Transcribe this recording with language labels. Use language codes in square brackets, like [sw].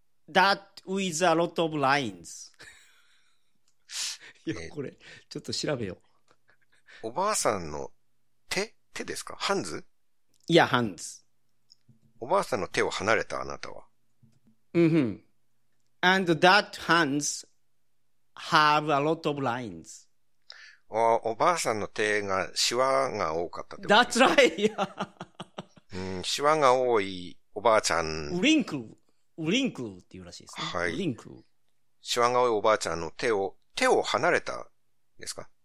[en] That with a lot of lines. [ja] いや、これ、ちょっと調べよう。おばあさんの手ですか？ハンズ？いや、ハンズ。おばあさんの手を離れたあなたは。うんふん。 [en] And that hands have a lot of lines. [ja] おばあさんの手が、シワが多かったってこと。 [en] That's right. 、 [ja] うん、シワが多いおばあちゃん。 Wrinkle っていうらしいですね。はい。 Wrinkle。シワが多いおばあちゃんの手を離れたですか？